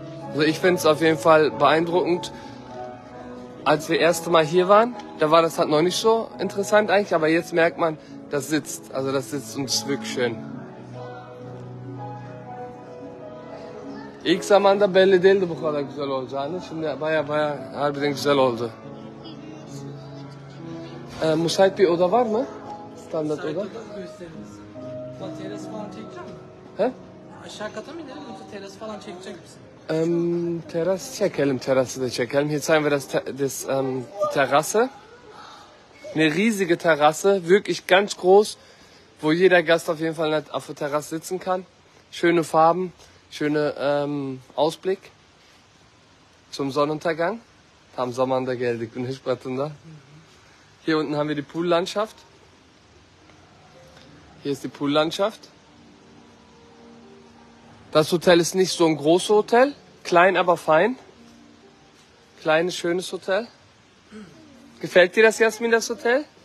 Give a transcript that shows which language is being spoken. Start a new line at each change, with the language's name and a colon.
German: Also ich finde es auf jeden Fall beeindruckend, als wir das erste Mal hier waren, da war das halt noch nicht so interessant eigentlich, aber jetzt merkt man, das sitzt, also das sitzt und ist wirklich schön.
Turkish: İlk zamanda belli değildi bu kadar güzel olacağını, şimdi baya baya harbiden güzel oldu. Müsait bir oda var mı? Standart oda. Müsait oda gösteririz. Bak teras falan çekecek mi? He? Aşağı kata mı inelim yoksa teras falan çekecek misin? Terrasse çekelim, terası da çekelim.
German: Hier zeigen wir die Terrasse. Eine riesige Terrasse, wirklich ganz groß, wo jeder Gast auf jeden Fall auf der Terrasse sitzen kann. Schöne Farben, schöner Ausblick zum Sonnenuntergang.
Turkish: Tam zamanda geldik, güneş batında.
German: Hier unten haben wir die Poollandschaft. Hier ist die Poollandschaft. Das Hotel ist nicht so ein großes Hotel, klein, aber fein. Kleines, schönes Hotel. Gefällt dir das, Jasmin, das Hotel?